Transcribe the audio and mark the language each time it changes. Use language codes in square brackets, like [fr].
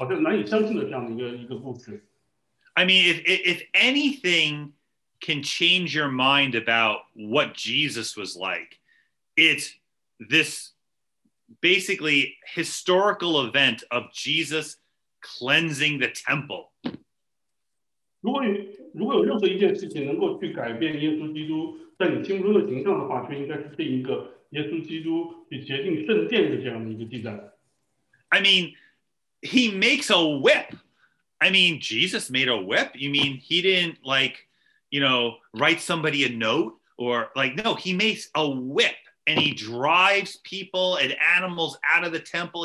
[en] I mean, if anything can change your mind about what Jesus was like, it's this basically historical event of Jesus cleansing the temple. [zh] 如果有任何一件事情能够去改变耶稣基督在你心中的形象的话，就应该是这一个耶稣基督去洁净圣殿的这样的一个记载。 [en] I mean, he makes a whip. I mean, Jesus made a whip. You mean he didn't like, you know, write somebody a note or like, no, he makes a whip and he drives people and animals out of the temple.